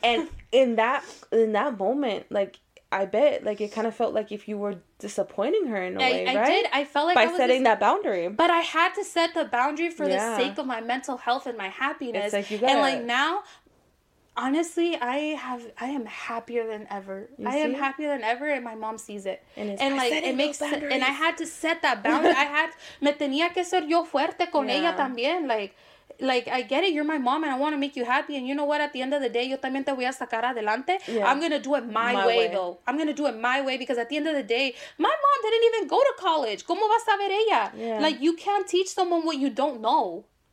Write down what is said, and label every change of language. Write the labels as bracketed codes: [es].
[en] And in that moment, like, I bet, like, it kind of felt like if you were disappointing her in a way, I right? I did. I felt like by I was setting that boundary. But I had to set the boundary for the sake of my mental health and my happiness. It's like you gotta... And, like, now... Honestly, I am happier than ever. Happier than ever, and my mom sees it. And like, it makes sense. And I had to set that boundary. I had, [es] me tenía que ser yo fuerte con ella también. [en] Like, I get it. You're my mom, and I want to make you happy. And you know what? At the end of the day, [es] yo también te voy a sacar adelante. [en] Yeah. I'm going to do it my way, though. I'm going to do it my way, because at the end of the day, my mom didn't even go to college. [es] ¿Cómo va a saber ella? [en] Yeah. Like, you can't teach someone what you don't know.